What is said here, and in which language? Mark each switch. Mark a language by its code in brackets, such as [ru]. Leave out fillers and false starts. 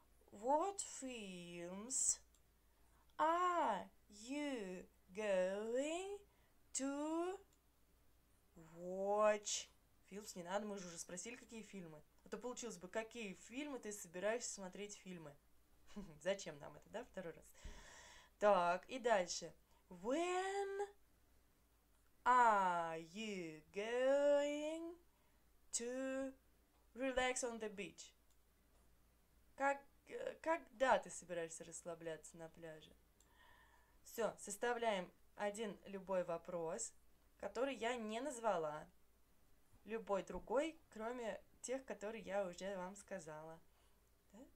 [en] What films are you going to watch? [ru] Films не надо, мы же уже спросили, какие фильмы. А то получилось бы, какие фильмы ты собираешься смотреть фильмы. Зачем нам это, да, второй раз? Так, и дальше. [en] When are you going to relax on the beach? [ru] Когда ты собираешься расслабляться на пляже? Все, составляем один любой вопрос, который я не назвала. Любой другой, кроме тех, которые я уже вам сказала. Да?